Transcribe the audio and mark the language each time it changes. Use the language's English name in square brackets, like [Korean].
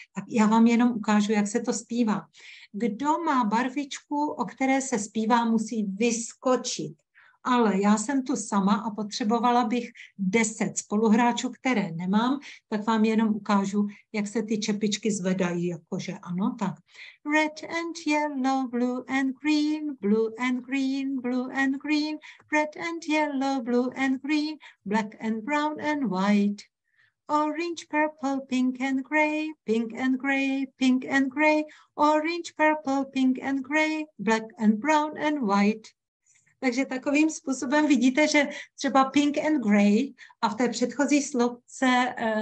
[Czech] Tak já vám jenom ukážu, jak se to zpívá. Kdo má barvičku, o které se zpívá, musí vyskočit. Ale já jsem tu sama a potřebovala bych 10 spoluhráčů, které nemám, tak vám jenom ukážu, jak se ty čepičky zvedají, jakože ano, tak. [English] Red and yellow, blue and green, blue and green, blue and green, red and yellow, blue and green, black and brown and white. Orange, purple, pink and grey, pink and grey, pink and grey, orange, purple, pink and grey, black and brown and white. [Czech] Takže takovým způsobem vidíte, že třeba [English] pink and grey [Czech] a v té předchozí slovce